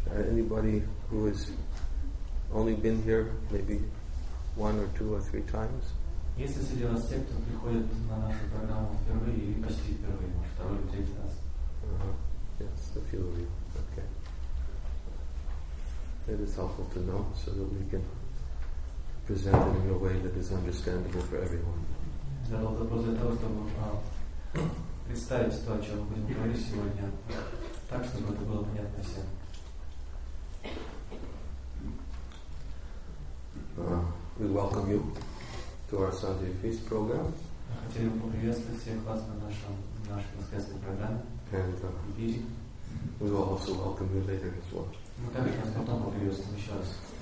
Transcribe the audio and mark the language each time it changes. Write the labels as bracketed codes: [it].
[en] Anybody who has only been here maybe one or two or three times. [ru] Если среди вас те, кто приходит на нашу программу впервые или почти впервые, может, второй или третий раз. [en] Yes, a few of you. Okay. It is helpful to know so that we can present it in a way that is understandable for everyone. [ru] Для того, чтобы представить то, о чем мы будем говорить сегодня, так, чтобы это было понятно всем. [en] We welcome you to our Sunday Feast program. [ru] Хотели бы приветствовать всех вас на нашей воскресной программе. [en] And we will also welcome you later as well. [ru] Мы также вас потом приветствуем еще раз.